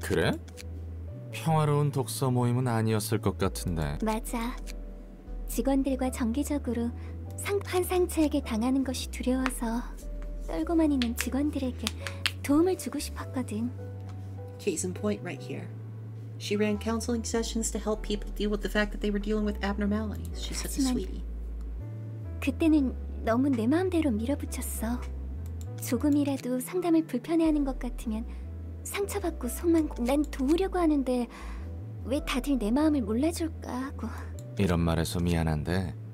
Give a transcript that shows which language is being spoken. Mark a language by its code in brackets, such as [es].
[ko] 그래? 평화로운 독서 모임은 아니었을 것 같은데. 맞아. 직원들과 정기적으로 환상체에게 당하는 것이 두려워서 떨고만 있는 직원들에게 도움을 주고 싶었거든. [en] Case in point right here. She ran counseling sessions to help people deal with the fact that they were dealing with abnormalities. She's such a sweetie. [ko] 그때는 너무 내 마음대로 밀어붙였어. 조금이라도 상담을 불편해하는 것 같으면 상처받고 속만 난 도우려고 하는데 왜 다들 내 마음을 몰라줄까 하고. 이런 말해서 미안한데